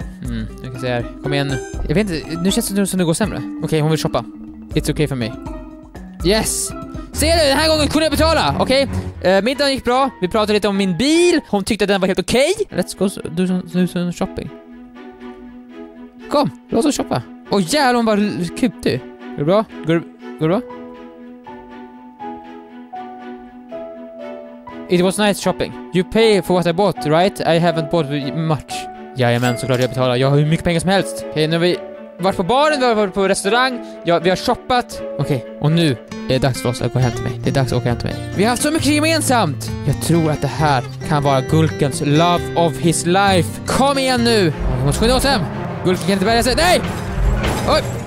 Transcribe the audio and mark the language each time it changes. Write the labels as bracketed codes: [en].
[sv] nu kan jag säga här. Kom igen nu. Jag vet inte, nu känns det som det går sämre. Okej, hon vill shoppa. [en] It's okay for me. Yes! [sv] Ser du, den här gången kunde jag betala, okej? Okay. Middagen gick bra, vi pratade lite om min bil. Hon tyckte att den var helt okej. [en] Okay. Let's go, do some shopping. [sv] Kom, låt oss shoppa. Åh, jävlar, hon var kutig. Går det bra? Går det bra? [en] It was nice shopping. You pay for what I bought, right? I haven't bought much. [sv] Jajamän, såklart jag betalar. Jag har hur mycket pengar som helst. Okej, nu har vi varit på baren, vi har varit på restaurang. Ja, vi har shoppat. Okej, och nu är det dags för oss att gå hem till mig. Det är dags att gå hem till mig. Vi har haft så mycket gemensamt. Jag tror att det här kan vara Gulkens love of his life. Kom igen nu. Vi måste skynda oss hem. Gulken kan inte bära sig. Nej! Oj!